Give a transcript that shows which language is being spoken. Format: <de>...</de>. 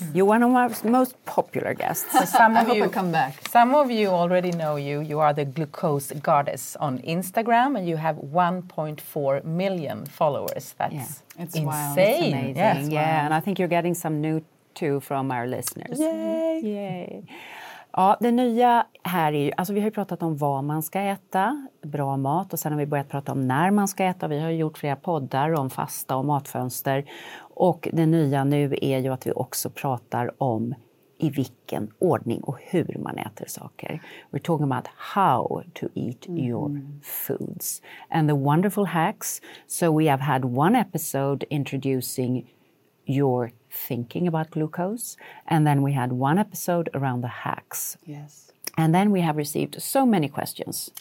<en>You're one of our most popular guests. So some I of hope you, I come back. Some of you already know you. You are the glucose goddess on Instagram and you have 1.4 million followers. That's yeah. It's insane. Wild. It's amazing. Yes. Yeah, wild. And I think you're getting some new too from our listeners. Yay! Yay!</en> <sv>Ja, det nya här är ju, alltså vi har ju pratat om vad man ska äta, bra mat, och sen har vi börjat prata om när man ska äta. Vi har gjort flera poddar om fasta och matfönster. Och det nya nu är ju att vi också pratar om i vilken ordning och hur man äter saker.</sv> <en>We're talking about how to eat your foods and the wonderful hacks. So we have had one episode introducing your thinking about glucose, and then we had one episode around the hacks. Yes. And then we have received so many questions.</en>